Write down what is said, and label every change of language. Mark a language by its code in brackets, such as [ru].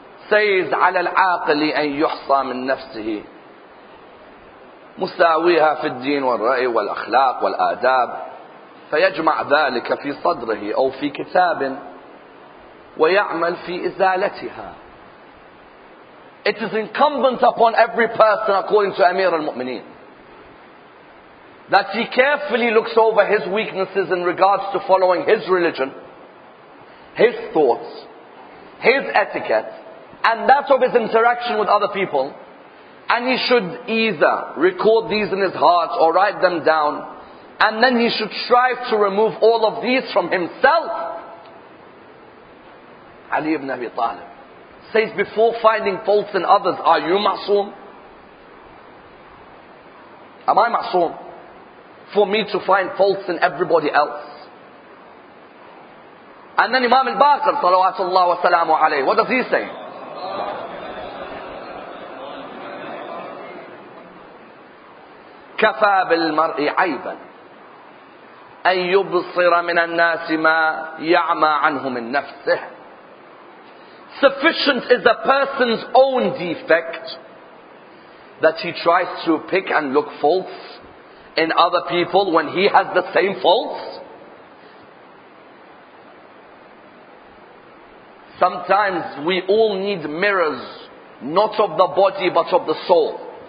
[en] Says, [ar] على العاقل أن يحصى من نفسه مساويها في الدين والرأي والأخلاق والآداب فيجمع ذلك في صدره أو في كتاب ويعمل في إزالتها. [en] It is incumbent upon every person according to Amir al-Mu'mineen that he carefully looks over his weaknesses in regards to following his religion, his thoughts, his etiquette, and that of his interaction with other people, and he should either record these in his heart or write them down, and then he should strive to remove all of these from himself. Ali ibn Abi Talib says, before finding faults in others, are you ma'soom? Am I ma'soom for me to find faults in everybody else? And then Imam al-Baqir, salawatullah wa salamu alayhi, what does he say? [ar] كفى بالمرء عيبا أن يبصر من الناس ما يعمى عنه من نفسه. [en] Sufficient is a person's own defect that he tries to pick and look faults in other people when he has the same faults. Sometimes we all need mirrors, not of the body but of the soul.